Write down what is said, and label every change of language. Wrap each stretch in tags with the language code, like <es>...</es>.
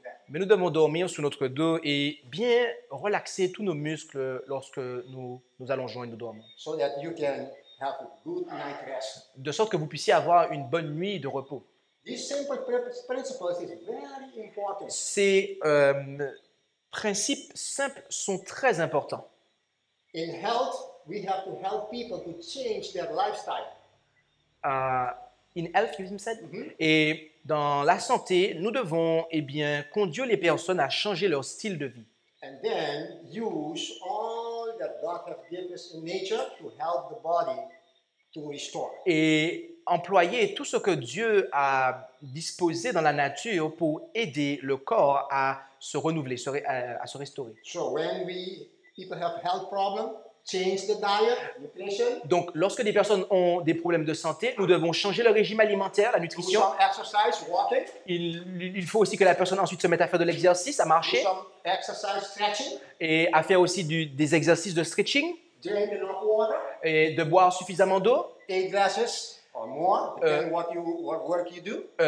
<fr>Mais nous devons dormir sur notre dos et bien relaxer tous nos muscles lorsque nous allongeons et nous dormons.</fr> <en>So that you can have a good night rest.</en> <fr>De sorte que vous puissiez avoir une bonne nuit de repos.</fr> <en>This simple principle is very important.</en> <fr>Ces principes simples sont très importants.</fr> <en>In health, we have to help people to change their lifestyle. In health, you said? Mm-hmm.</en> <fr>Et dans la santé, nous devons, eh bien, conduire les personnes à changer leur style de vie.</fr> <en>And then use all that God has given us in nature to help the body to restore.</en> <fr>Et employer tout ce que Dieu a disposé dans la nature pour aider le corps à se renouveler, à se restaurer.</fr> <en>So when people have health problems, change the diet, nutrition.</en> <fr>Donc, lorsque des personnes ont des problèmes de santé, nous devons changer le régime alimentaire, la nutrition.</fr> <en>Do some exercise, walking.</en> <fr>Il faut aussi que la personne ensuite se mette à faire de l'exercice, à marcher.</fr> <en>Do some exercise, stretching.</en> <fr>Et à faire aussi des exercices de stretching.</fr> <en>Drink enough water.</en> <fr>Et de boire suffisamment d'eau.</fr> <en>8 glasses or more, depending what work you do.</en>